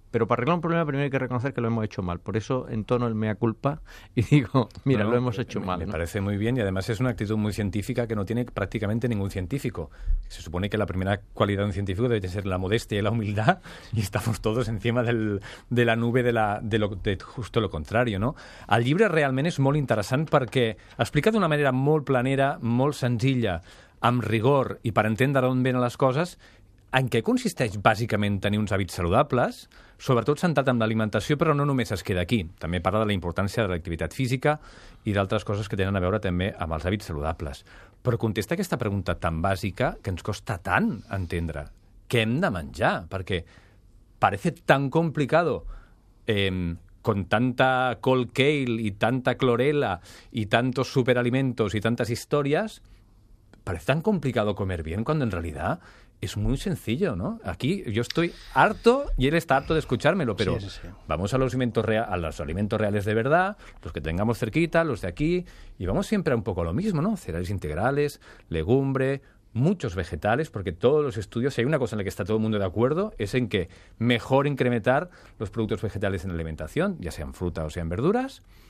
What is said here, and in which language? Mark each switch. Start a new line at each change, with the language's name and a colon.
Spanish: Pero para arreglar un problema primero hay que reconocer que lo hemos hecho mal. Por eso entono el mea culpa y digo, mira, bueno, lo hemos hecho mal. Me parece muy bien y además es una actitud muy científica que no tiene prácticamente ningún científico. Se supone que la primera cualidad de un científico debe ser la modestia y la humildad y estamos todos encima de la nube de justo lo contrario, ¿no?
Catalan: El llibre realment és molt interessant perquè ha explicat d'una manera molt planera, molt senzilla, amb rigor i per entendre d'on venen les coses, en què consisteix bàsicament tenir uns hàbits saludables, sobretot centrat en l'alimentació, però no només es queda aquí. També parla de la importància de l'activitat física i d'altres coses que tenen a veure també amb els hàbits saludables. Però contesta aquesta pregunta tan bàsica que ens costa tant entendre què hem de menjar, perquè
Spanish: parece tan complicado con tanta col kale
Catalan: i tanta clorela i
Spanish: tantos superalimentos
Catalan: i tantes històries.
Spanish: Parece tan complicado comer bien cuando en realidad es muy sencillo, ¿no? Aquí yo estoy harto y él está harto de escuchármelo, pero sí, sí, sí. Vamos a los alimentos reales de verdad, los que tengamos cerquita, los de aquí, y vamos siempre a un poco a lo mismo, ¿no? Cereales integrales, legumbre, muchos vegetales, porque todos los estudios, si hay una cosa en la que está todo el mundo de acuerdo, es en que mejor incrementar los productos vegetales en la alimentación, ya sean fruta o sean verduras.